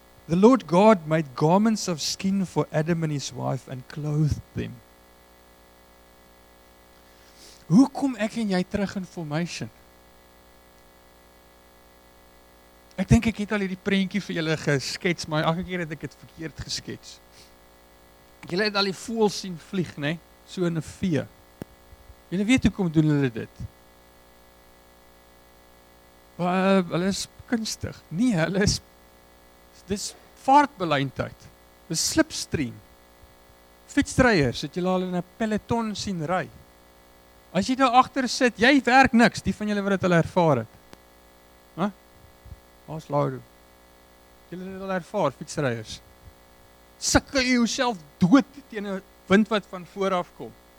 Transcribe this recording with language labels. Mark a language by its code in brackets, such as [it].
[en] The Lord God made garments of skin for Adam and his wife and clothed them. [af] Hoe kom ek en jy terug in formation? Ek dink ek het al hierdie prentjie vir julle geskets, maar elke keer het ek dit verkeerd geskets. Julle het al die voëls sien vlieg, né? So in 'n vee. Julle weet hoekom doen hulle dit? Hulle is kunstig. Nee, hulle is dis vaartbelyntheid. Dis slipstream. Fietsryers, het julle al in 'n peloton sien ry? As jy daar agter sit, jy werk niks, die van julle wat dit al ervaar het. Waar is Laudo? Julle het al ervaar, fietsryers. Sukkel jy jouself dood teen 'n wind wat van voor af kom.